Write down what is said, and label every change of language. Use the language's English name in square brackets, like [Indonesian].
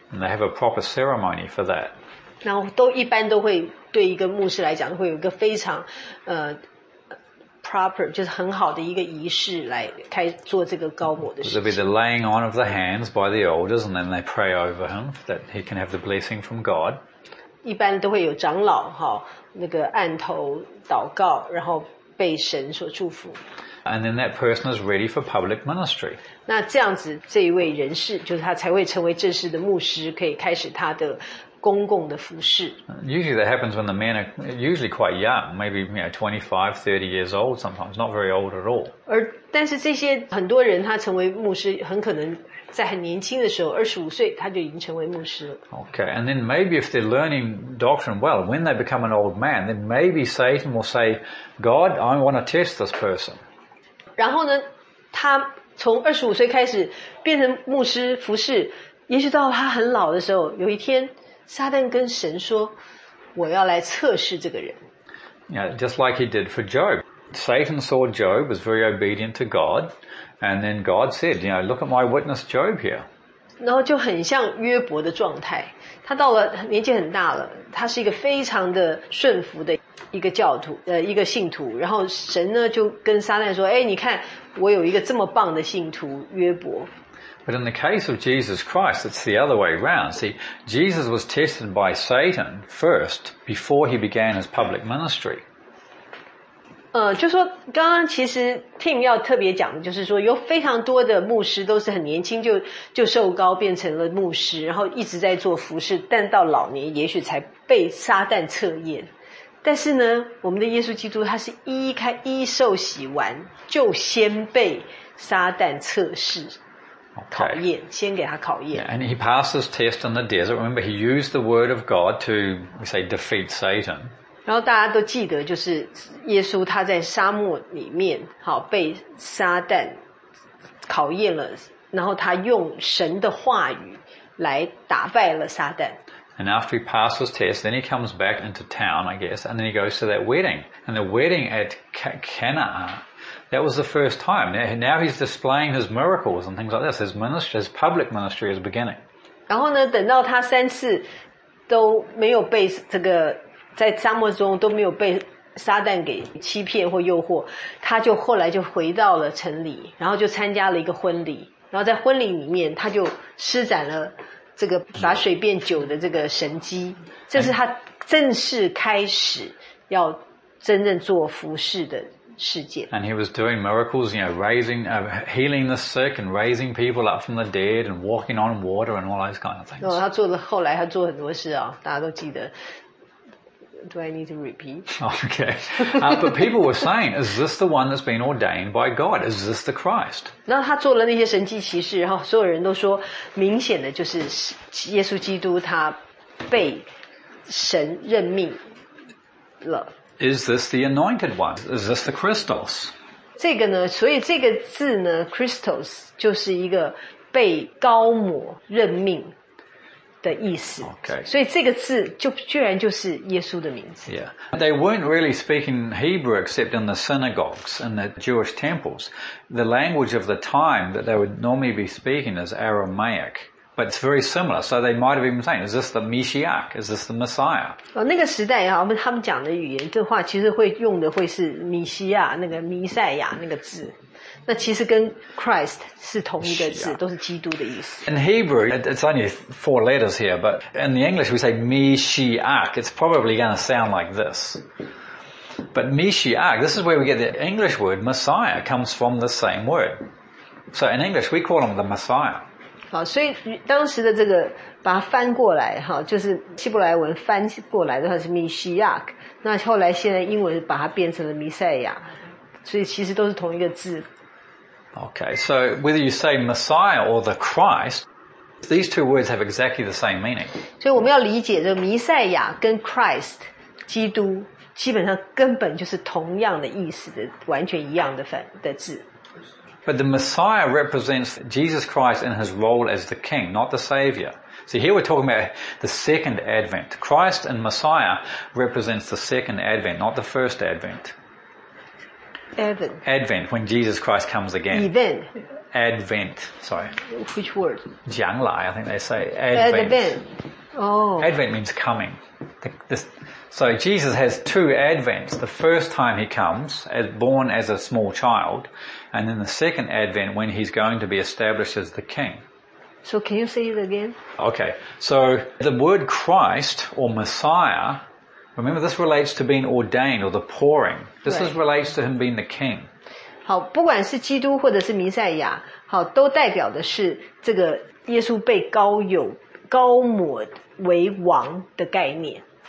[English] And they have a proper ceremony for that. [Chinese] 然后都一般都会对一个牧师来讲会有一个非常proper 就是很好的一个仪式来开做这个膏抹的事情。 [English] There'll be the laying on of the hands by the elders, and then they pray over him that he can have the blessing from God. [Chinese] 一般都会有长老那个按头祷告，然后被神所祝福。 [English] and then that person is ready for public ministry. [Chinese] 那这样子，这一位人士就是他才会成为正式的牧师，可以开始他的公共的服事。 [English] Usually that happens when the men are usually quite young, maybe you know, 25, 30 years old sometimes, not very old at all. [Chinese] 而但是这些很多人他成为牧师，很可能在很年轻的时候，25岁他就已经成为牧师了。 [English] Okay, and then maybe if they're learning doctrine well, when they become an old man, then maybe Satan will say, God, I want to test this person. [Chinese] 然后呢，他从25岁开始变成牧师服事，也许到他很老的时候，有一天撒旦跟神说，我要来测试这个人。 [English] Yeah, just like he did for Job. Satan saw Job was very obedient to God, and then God said, you know, look at my witness Job here. [Chinese] 然后就很像约伯的状态，他到了年纪很大了，他是一个非常的顺服的一个教徒，一个信徒，然后神呢就跟撒旦说，哎，你看我有一个这么棒的信徒约伯。 [English] But in the case of Jesus Christ, it's the other way around. See, Jesus was tested by Satan first before he began his public ministry. [Chinese] 就说刚刚其实 Tim 要特别讲的就是说有非常多的牧师都是很年轻 就受膏变成了牧师，然后一直在做服事，但到老年也许才被撒旦测验。但是呢，我们的耶稣基督他是一受洗完就先被撒旦测试。 [English] Okay. [Chinese] 考验，先给他考验。 [English] Yeah, and he passed his test in the desert. Remember, he used the word of God to, we say, defeat Satan. [Chinese] 然后大家都记得，就是耶稣他在沙漠里面，好被撒旦考验了，然后他用神的话语来打败了撒旦。 [English] And after he passed his test, then he comes back into town, I guess, and then he goes to that wedding. And the wedding at Cana. That was the first time. Now he's displaying his miracles and things like this. His ministry, his public ministry is beginning. [Chinese] 然后呢，等到他三次都没有被这个在沙漠中都没有被撒旦给欺骗或诱惑，他就后来就回到了城里，然后就参加了一个婚礼。然后在婚礼里面，他就施展了这个把水变酒的这个神迹，这是他正式开始要真正做服事的。 [English] And he was doing miracles, you know, raising, healing the sick and raising people up from the dead and walking on water and all those kind of things. [Chinese] No, 他做了后来他做很多事啊，大家都记得。 [English] Do I need to repeat? Okay. But people were saying, is this the one that's been ordained by God? Is this the Christ? [Chinese] 那他做了那些神迹奇事，然后所有人都说，明显的就是耶稣基督他被神任命了。 [English] Is this the anointed one? Is this the Christos? [Chinese] 这个呢，所以这个字呢 ，Christos 就是一个被高抹任命的意思。 [English] Okay. [Chinese] 所以这个字就居然就是耶稣的名字。 [English] Yeah. They weren't really speaking Hebrew except in the synagogues and the Jewish temples. The language of the time that they would normally be speaking is Aramaic. But it's very similar, so they might have even saying, is this the Mashiach? Is this the Messiah? [Chinese] 那个时代啊，他们讲的语言的话，其实会用的会是弥西亚，那个弥赛亚那个字。那其实跟 Christ 是同一个字，都是基督的意思。 [English] In Hebrew, it's only four letters here, but in the English we say Mashiach. It's probably going to sound like this. But Mashiach, this is where we get the English word Messiah, comes from the same word. So in English, we call him the Messiah. [Chinese] 好，所以当时的这个把它翻过来哈，就是希伯来文翻过来的话是 Mashiach， 那后来现在英文把它变成了弥赛亚，所以其实都是同一个字。 [English] Okay, so whether you say Messiah or the Christ, these two words have exactly the same meaning. [Chinese] 所以我们要理解这个弥赛亚跟 Christ 基督基本上根本就是同样的意思的，完全一样的反的字。 [English] But the Messiah represents Jesus Christ in his role as the King, not the Savior. So here we're talking about the second advent. Christ and Messiah represents the second advent, not the first advent. Advent. Advent, when Jesus Christ comes again. Event. Advent, sorry. Which word? 将来, I think they say. Advent. Oh. Advent means coming. So Jesus has two advents. The first time he comes, as born as a small child, and then the second advent when he's going to be established as the king. So can you say it again? Okay. So the word Christ or Messiah, remember this relates to being ordained or the pouring. This is relates to him being the king. [Chinese] 好，不管是基督或者是弥赛亚，好，都代表的是这个耶稣被高抹为王的概念。